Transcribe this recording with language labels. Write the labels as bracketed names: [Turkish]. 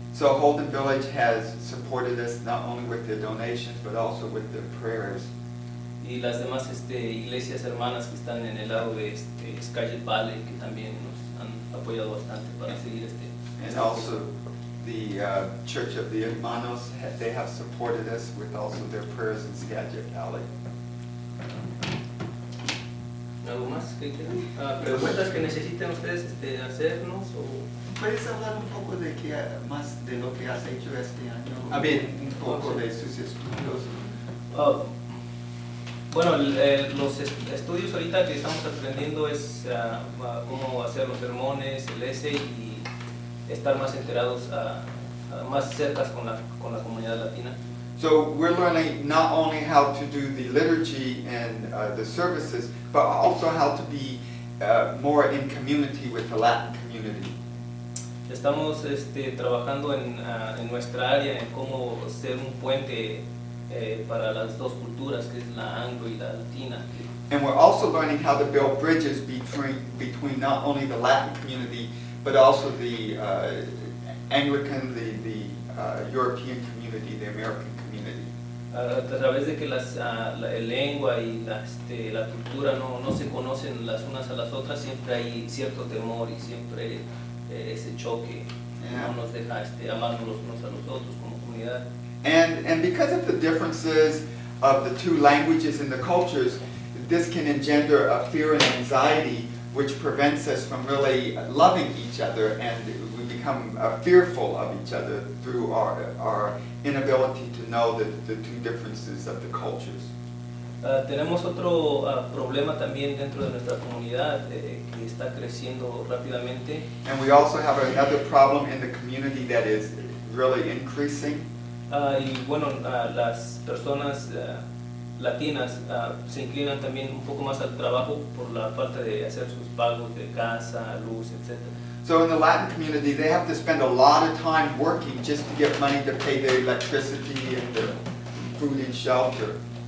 [English] So Holden Village has supported us not only with their donations but also with their prayers. [Spanish] Y las demás iglesias hermanas que están en el lado de Scarlet Valley que también nos han apoyado bastante para seguir [English] And also the Church of the Hermanos, they have supported us with also their prayers in Skagit Valley. [Spanish] ¿Algo más que preguntas que necesiten ustedes hacernos o? ¿Puedes hablar un poco de qué más de lo que has hecho este año? A ver, un poco de sus estudios. Bueno, los estudios ahorita que estamos aprendiendo es cómo hacer los sermones, el essay y estar más enterados más cercas con la comunidad latina. [English] So we're learning not only how to do the liturgy and the services, but also how to be more in community with the Latin community. [Spanish] Estamos trabajando en nuestra área en cómo ser un puente para las dos culturas, que es la anglo y la latina. [English] And we're also learning how to build bridges between not only the Latin community but also the Anglican, the European community, the American community. [Spanish] A través de que la lengua y la cultura no se conocen las unas a las otras, siempre hay cierto temor y siempre ese choque. Yeah. No nos deja amarnos los unos a los otros como comunidad. [English] And because of the differences of the two languages and the cultures, this can engender a fear and anxiety which prevents us from really loving each other, and we become fearful of each other through our inability to know the two differences of the cultures. [Spanish] Tenemos otro problema también dentro de nuestra comunidad que está creciendo rápidamente. [English] And we also have another problem in the community that is really increasing. [Spanish] Y bueno, las personas latinas se inclinan también un poco más al trabajo por la falta de hacer sus pagos de casa, luz, etc. [English] So in the Latin community, they have to spend a lot of time working just to get money to pay their electricity and their food and shelter.